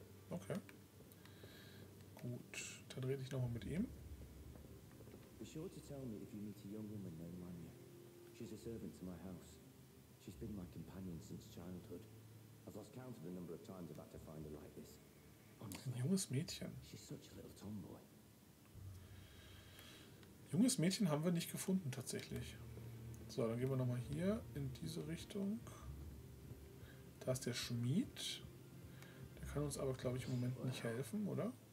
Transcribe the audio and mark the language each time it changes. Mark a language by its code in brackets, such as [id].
[de] Okay. Gut, dann rede ich nochmal mit ihm. [en] Be sure to tell me if you meet a young woman named Manya. She's a servant to my house. She's been my companion since childhood. I've lost count of the number of times I've had to find her like this. [de] Ein junges Mädchen. [en] She's such a little tomboy. [de] Junges Mädchen haben wir nicht gefunden tatsächlich. So, dann gehen wir nochmal hier in diese Richtung. Da ist der Schmied. Der kann uns aber, glaube ich, im Moment nicht helfen, oder?